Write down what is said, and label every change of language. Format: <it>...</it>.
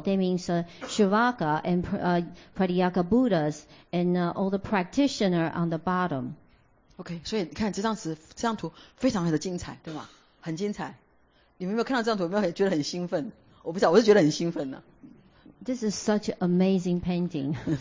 <en>That means Shivaka and Pratyeka Buddhas and all the practitioners on the bottom.</en> <zh>Okay, 所以你看这张图非常的精彩，对吗？很精彩。你们有没有看到这张图？有没有觉得很兴奋？我不知道，我是觉得很兴奋呢。</zh> <en>This is such an amazing painting.</en>